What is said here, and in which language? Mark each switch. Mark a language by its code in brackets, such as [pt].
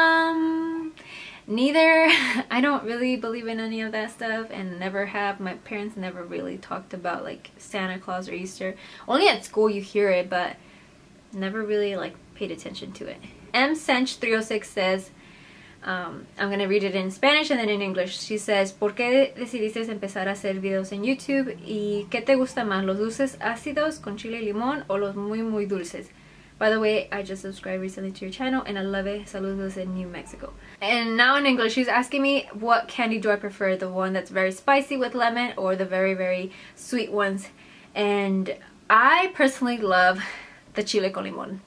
[en] Neither. I don't really believe in any of that stuff and never have. My parents never really talked about like Santa Claus or Easter. Only at school you hear it, but never really like paid attention to it. MSench306 says, I'm gonna read it in Spanish and then in English. [es] She says, ¿Por qué decidiste empezar a hacer videos en YouTube? ¿Y qué te gusta más, los dulces ácidos con chile y limón o los muy muy dulces? [en] By the way, I just subscribed recently to your channel and I love it. Saludos in New Mexico. And now in English, she's asking me what candy do I prefer? The one that's very spicy with lemon or the very, very sweet ones? And I personally love the chile con limón.